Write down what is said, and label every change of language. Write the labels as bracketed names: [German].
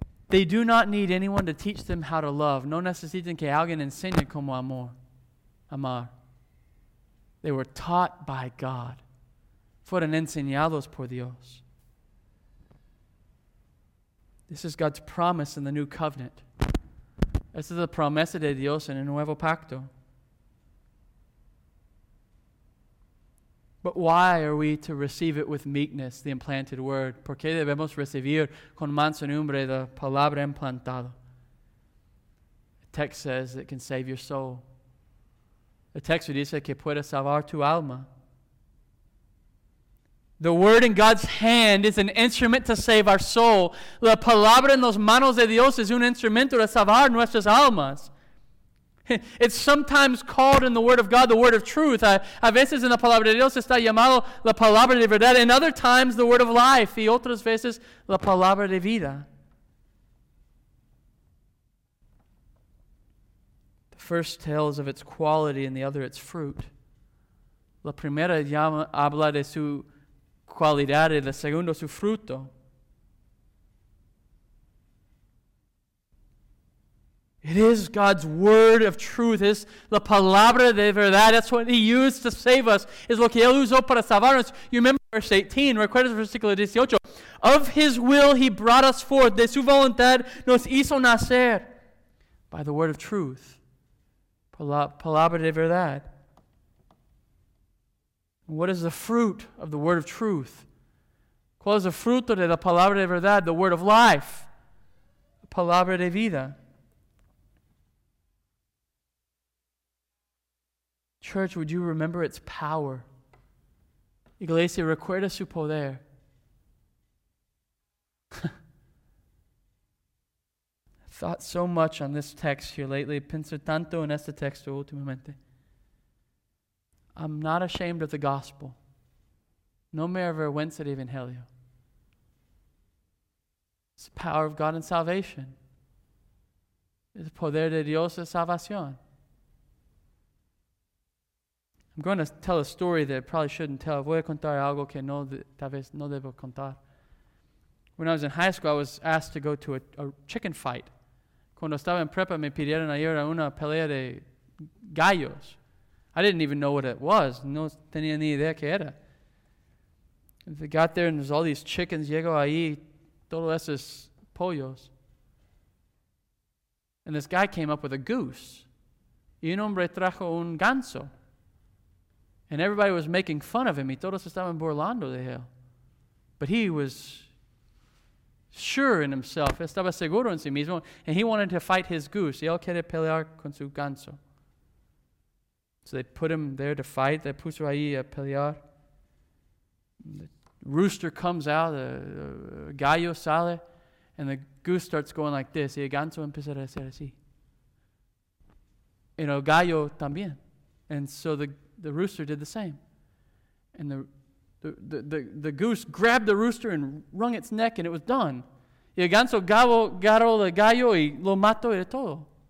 [English] They do not need anyone to teach them how to love. [Spanish] No necesitan que alguien enseñe cómo amar. [English] They were taught by God. [Spanish] Fueron enseñados por Dios. [English] This is God's promise in the new covenant. [Spanish] Esta es la promesa de Dios en el nuevo pacto. [English] But why are we to receive it with meekness, the implanted word? [Spanish] ¿Por qué debemos recibir con mansedumbre la palabra implantada? [English] The text says it can save your soul. The text [Spanish] dice que puede salvar tu alma. [English] The word in God's hand is an instrument to save our soul. [Spanish] La palabra en las manos de Dios es un instrumento de salvar nuestras almas. [English] It's sometimes called in the Word of God the Word of Truth. [Spanish] A veces en la Palabra de Dios está llamado la Palabra de Verdad. [English] In other times, the Word of Life. [Spanish] Y otras veces, la Palabra de Vida. [English] The first tells of its quality and the other its fruit. [Spanish] La primera habla de su cualidad y la segunda su fruto. [English] It is God's word of truth. It's [Spanish] la palabra de verdad. [English] That's what He used to save us. [Spanish] Es lo que Él usó para salvarnos. [English] You remember verse 18. [Spanish] Recuerda versículo 18. [English] Of His will He brought us forth. [Spanish] De su voluntad nos hizo nacer. [English] By the word of truth. [Spanish] Palabra de verdad. [English] What is the fruit of the word of truth? [Spanish] ¿Cuál es el fruto de la palabra de verdad? [English] The word of life. [Spanish] Palabra de vida. [English] Church, would you remember its power? [Spanish] Iglesia, recuerda su poder. [English] Thought so much on this text here lately. [Spanish] Pensé tanto en este texto últimamente. [English] I'm not ashamed of the gospel. [Spanish] No me avergüenza de evangelio. [English] It's the power of God in salvation. It's the [Spanish] poder de Dios en salvación. [English] I'm going to tell a story that I probably shouldn't tell. [Spanish] Voy a contar algo que no, tal vez no debo contar. [English] When I was in high school, I was asked to go to a chicken fight. [Spanish] Cuando estaba en prepa, me pidieron a ir a una pelea de gallos. [English] I didn't even know what it was. [Spanish] No tenía ni idea qué era. [English] And I got there, and there's all these chickens. [Spanish] Llego ahí, todos esos pollos. [English] And this guy came up with a goose. [Spanish] Y un hombre trajo un ganso. [English] And everybody was making fun of him. [Spanish] Y todos estaban burlando de él. [English] But he was sure in himself. [Spanish] Estaba seguro en sí mismo. [English] And he wanted to fight his goose. [Spanish] Y él quiere pelear con su ganso. [English] So they put him there to fight. They [Spanish] puso ahí a pelear. [English] The rooster comes out. [Spanish] The gallo sale. [English] And the goose starts going like this. [Spanish] Y el ganso empieza a hacer así. Y el gallo también. [English] And so the rooster did the same. And the goose grabbed the rooster and wrung its neck and it was done. [Spanish] Y el ganso agarró el gallo y lo mató y todo.